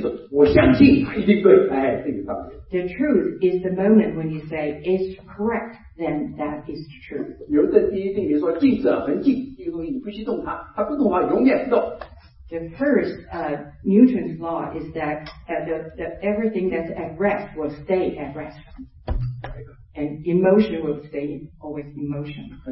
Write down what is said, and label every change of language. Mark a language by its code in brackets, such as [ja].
[zh] 我们不做实验的话，要等到以后才能证明了。所以真理不是这样出来的，真理是我相信一定对。哎，这个道理。 [en] The truth is the moment when you say it's correct, then that is true. [zh] 牛顿第一定律说静止恒静，这个东西你不许动它，它不动的话永远不动。 [en] The first Newton's law is that everything that's at rest will stay at rest. And emotion will stay always in motion.